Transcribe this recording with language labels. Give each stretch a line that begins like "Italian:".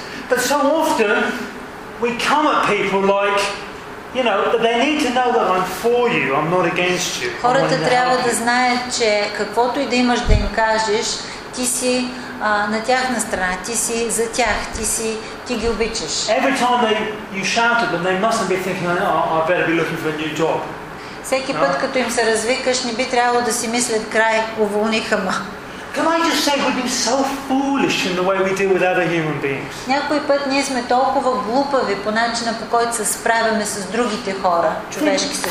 English: But so often we come at people like, you know, they need to know that I'm for you, I'm not against you.
Bulgarian: Хората трябва да знаят, че каквото и да имаш да им кажеш, ти си на тяхна страна, ти си за тях, ти ги обичаш.
English: Every time you shout at them, they mustn't be thinking, oh, I better be looking for a new job.
Bulgarian: Всеки път, като им се развикаш, не би трябвало да си мислят, край, уволниха ме.
English: Can I just say we've been so foolish in the way we deal with other human beings?
Bulgarian: Някой път ние сме толкова глупави по начина, по който се справяме с другите хора, човешки същества.